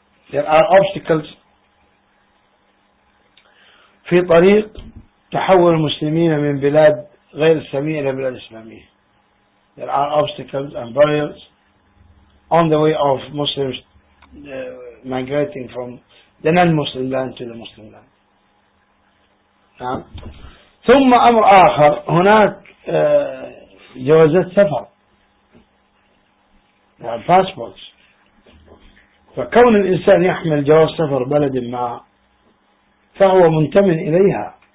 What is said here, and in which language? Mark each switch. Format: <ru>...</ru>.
<en>There are obstacles</en> <ar>في طريق تحول المسلمين من بلاد غير إسلامية إلى بلاد إسلامية.</ar> <en>There are obstacles and barriers on the way of Muslims migrating from the non-Muslim land to the Muslim land.</en> <ar>نعم. ثم أمر آخر، هناك جوازات سفر.</ar> <en>Passports.</en> <ar>فكون الإنسان يحمل جواز سفر بلد ما فهو منتمن إليها.</ar>